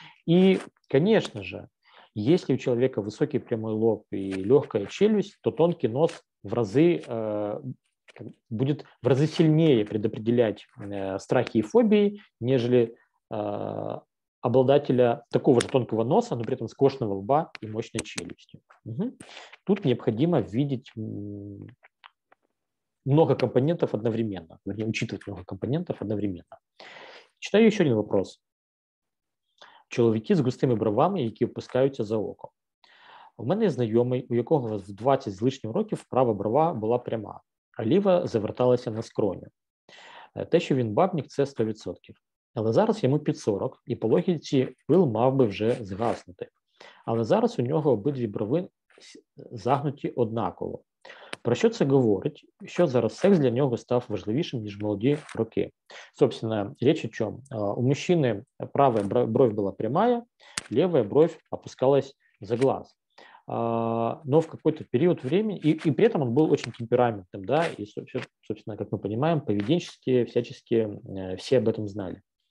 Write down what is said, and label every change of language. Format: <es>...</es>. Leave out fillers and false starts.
<ru>И, конечно же, если у человека высокий прямой лоб и легкая челюсть, то тонкий нос в разы, будет в разы сильнее предопределять страхи и фобии, нежели обладателя такого же тонкого носа, но при этом скошенного лба и мощной челюсти. Угу. Тут необходимо видеть много компонентов одновременно, вернее, учитывать много компонентов одновременно. Читаю еще один вопрос.</ru> <uk>Чоловіки з густими бровами, які опускаються за око. У мене знайомий, у якого в 20 з лишнім років права брова була пряма, а ліва заверталася на скроню. Те, що він бабник, це 100%. Але зараз йому під 40, і по логіці пил мав би вже згаснути. Але зараз у нього обидві брови загнуті однаково. Про що це говорить? Що зараз секс для нього став важливішим, ніж молоді роки? Собственно, річ у чому? У мужчини права бровь була пряма, ліва бровь опускалась за глаз.</uk> <ru>Но в какой-то период времени, и при этом он был очень темпераментным, да, и, собственно, как мы понимаем, поведенчески, всячески все об этом знали.</ru>